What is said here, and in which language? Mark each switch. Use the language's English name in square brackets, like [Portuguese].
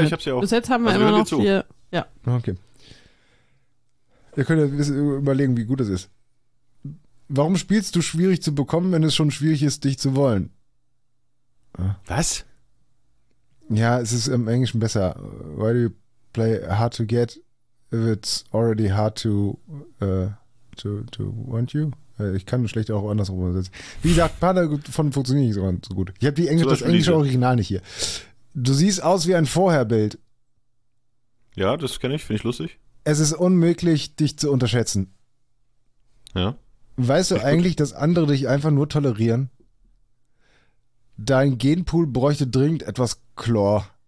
[German] Ja, ich hab's ja auch. Bis jetzt haben wir immer noch hier. Ja. Okay. Ihr könnt ja überlegen, wie gut das ist. Warum spielst du schwierig zu bekommen, wenn es schon schwierig ist, dich zu wollen? Was? Ja, es ist im Englischen besser. [English] Why do you play hard to get if it's already hard to want you? [German] Ich kann schlecht auch andersrum übersetzen. Wie gesagt, ein paar davon funktionieren nicht so gut. Ich habe die Englisch, das englische Original nicht hier. Du siehst aus wie ein Vorherbild. Ja, das kenne ich, finde ich lustig. Es ist unmöglich, dich zu unterschätzen. Ja. Weißt du eigentlich, dass andere dich einfach nur tolerieren? Dein Genpool bräuchte dringend etwas Chlor.